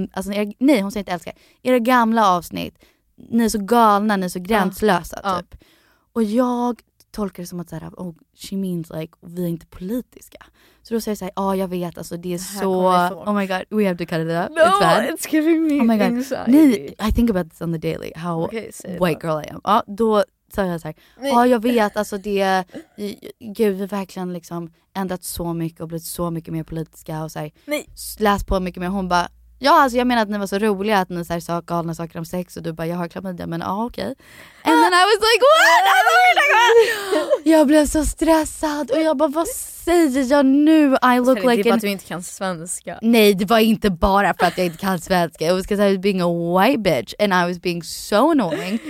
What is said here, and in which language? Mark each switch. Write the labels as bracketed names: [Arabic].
[Swedish] Alltså, nej, hon säger inte älskar. Era gamla avsnitt, ni är så galna, ni är så gränslösa, typ. Och jag tolkar det som att såhär, [English] oh, she means like [Swedish] vi är inte politiska. Så då säger jag såhär, ja, jag vet, alltså det är det så, [English] oh my god, we have to cut it up. No, it's bad. It's giving me oh my god. Anxiety. I think about this on the daily, how white girl I am. [Swedish] Ja, då säger jag såhär, ja, jag vet, alltså det är, gud, vi har verkligen liksom ändrat så mycket och blivit så mycket mer politiska och såhär, läst på mycket mer. Hon bara, ja, alltså jag menar att ni var så roliga att ni såhär sa galna saker om sex och du bara, jag har klamydia, men ja, okej. [English] And then I was like, what? [Swedish] Jag blev så stressad och jag bara, vad säger jag nu? [English] I look [Swedish] det [English] like [Swedish] bara en... att du inte kan svenska. Nej, det var inte bara för att jag inte kan svenska. [English] It was because I was being a white bitch and I was being so annoying.